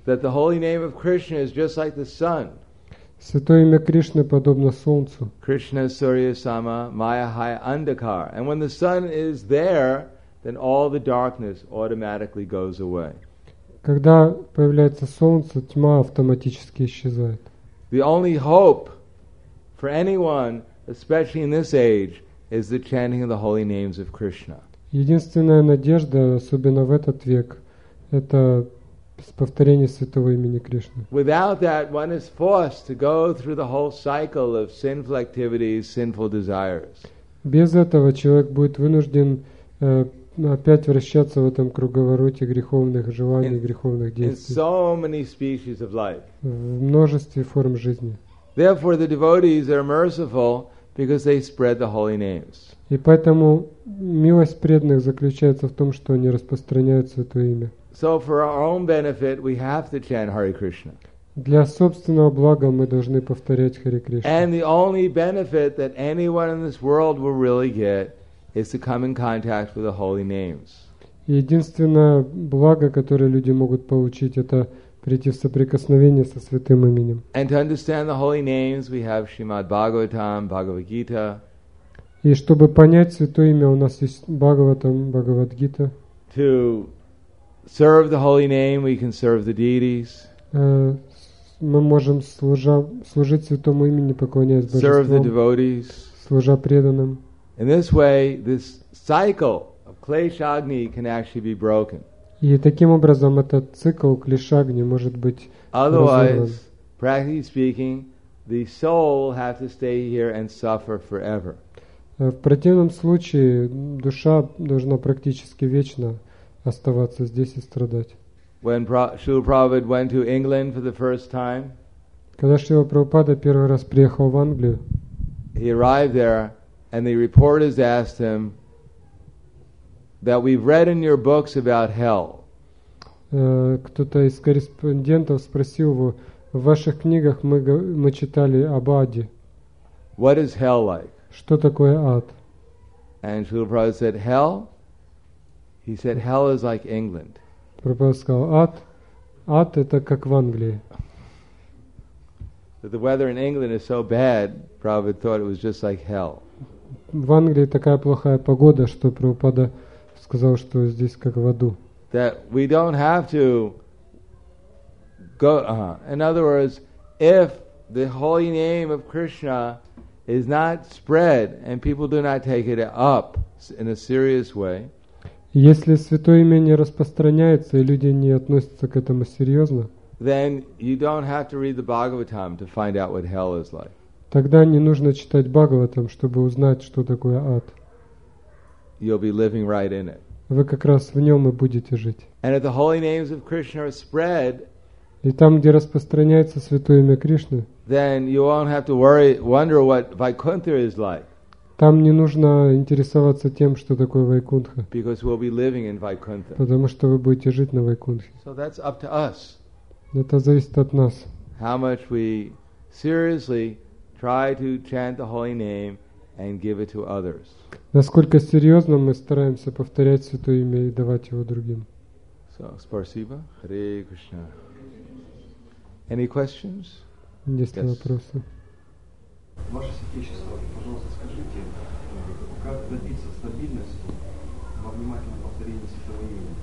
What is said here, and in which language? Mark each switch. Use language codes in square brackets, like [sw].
[en] That the holy name of Krishna is just like the sun. [ru] Святое имя Кришны подобно солнцу. [bn] Krishna Surya Sama Maya Haya Andhakar. [en] And when the sun is there, then all the darkness automatically goes away. [ru] Когда появляется солнце, тьма автоматически исчезает. [en] The only hope for anyone, especially in this age, is the chanting of the holy names of Krishna. [ru] Единственная надежда, особенно в этот век, это повторение святого имени Кришны. [en] Without that, one is forced to go through the whole cycle of sinful activities, sinful desires. [ru] Без этого человек будет вынужден опять вращаться в этом круговороте греховных желаний, греховных действий. [en] In so many species of life. [ru] В множестве форм жизни. [en] Therefore, the devotees are merciful. Because they spread the holy names. [ru] И поэтому милость преданных заключается в том, что они распространяют святое имя. [en] So for our own benefit, we have to chant Hare Krishna. [ru] Для собственного блага мы должны повторять Харе Кришна. [en] And the only benefit that anyone in this world will really get is to come in contact with the holy names. [ru] Единственное благо, которое люди могут получить, это прийти в соприкосновение со святым именем. [en] And to understand the holy names, we have Shrimad Bhagavatam, Bhagavad Gita. [ru] И чтобы понять святое имя, у нас есть Бхагаватам, Бхагавад Гита. [en] To serve the holy name, we can serve the deities. [ru] Мы можем служить святому имени, поклоняясь божествам. [en] Serve the devotees. [ru] Служа преданным. [en] In this way, this cycle of Klesha Agni can actually be broken. [ru] И таким образом этот цикл клешагни может быть [en] Otherwise, [ru] разорван. [en] Practically speaking, the soul will have to stay here and suffer forever. [ru] В противном случае душа должна практически вечно оставаться здесь и страдать. [en] When Srila Prabhupada went to England for the first time, [ru] когда Шрила Прабхупада первый раз приехал в Англию, [en] he arrived there and the reporters asked him, that we've read in your books about hell. [ru] кто-то из корреспондентов спросил его: в ваших книгах мы читали об аде. [en] What is hell like? [ru] Что такое ад? [en] And Srila Prabhupada said, hell? He said, hell is like England. [ru] Прабхупада сказал, ад это как в Англии. [en] But the weather in England is so bad, Prabhupada thought it was just like hell. [ru] В Англии такая плохая погода, что Прабхупада сказал, что здесь как в аду. [en] That we don't have to go. In other words, if the holy name of Krishna is not spread and people do not take it up in a serious way. [ru] Если святое имя не распространяется и люди не относятся к этому серьезно. [en] Then you don't have to read the Bhagavatam to find out what hell is like. [ru] Тогда не нужно читать Бхагаватам, чтобы узнать, что такое ад. [en] You'll be living right in it. [ru] Вы как раз в нем и будете жить. [en] And if the holy names of Krishna are spread, [ru] и там, где распространяется святое имя Кришны, [en] then you won't have to worry, wonder what Vaikuntha is like. [ru] Там не нужно интересоваться тем, что такое Вайкунтха. [en] Because we'll be living in Vaikuntha. [ru] Потому что вы будете жить на Вайкунтхе. [en] So that's up to us. [ru] Это зависит от нас. [en] How much we seriously try to chant the holy name and give it to others. [ru] Насколько серьезно мы стараемся повторять святое имя и давать его другим. [en] So, спасибо. Hare Krishna. Any questions? [ru] Есть ли вопросы? Ваше святейшество, пожалуйста, скажите, как добиться стабильности во внимательном повторении святого имени?